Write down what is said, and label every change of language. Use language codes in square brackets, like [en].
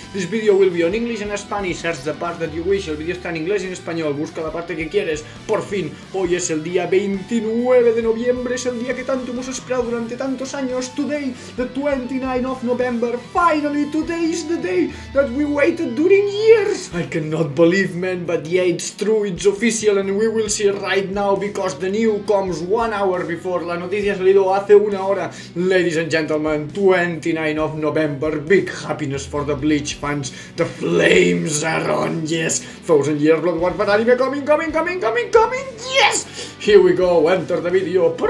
[en] This video will be on English and Spanish, search the part that you wish. [es] El video está en inglés y en español, busca la parte que quieres. Por fin, hoy es el día 29 de noviembre, es el día que tanto hemos esperado durante tantos años. [en] Today, the 29 of November, finally, today is the day that we waited during years. I cannot believe, man, but yeah, it's true, it's official and we will see right now because the news comes 1 hour before. [es] La noticia ha salido hace una hora. [en] Ladies and gentlemen, 29 of November, big happiness for the Bleach fans, the flames are on, yes, Thousand Year Blood Warfare anime coming, coming, coming, coming, coming, yes, here we go, enter the video,